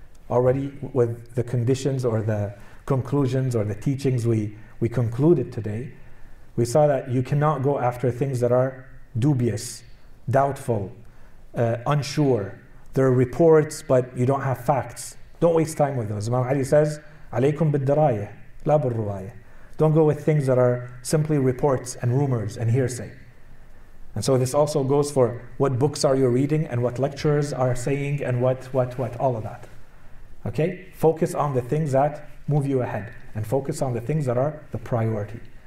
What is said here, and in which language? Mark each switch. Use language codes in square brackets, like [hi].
[en] Already with the conditions or the conclusions or the teachings we concluded today, we saw that you cannot go after things that are dubious, doubtful, unsure. There are reports, but you don't have facts. Don't waste time with those. Imam Ali says, [ar] عليكم بالدراية لا بالرواية. [en] Don't go with things that are simply reports and rumors and hearsay. And so this also goes for what books are you reading and what lecturers are saying and what, all of that. Okay? Focus on the things that move you ahead and focus on the things that are the priority.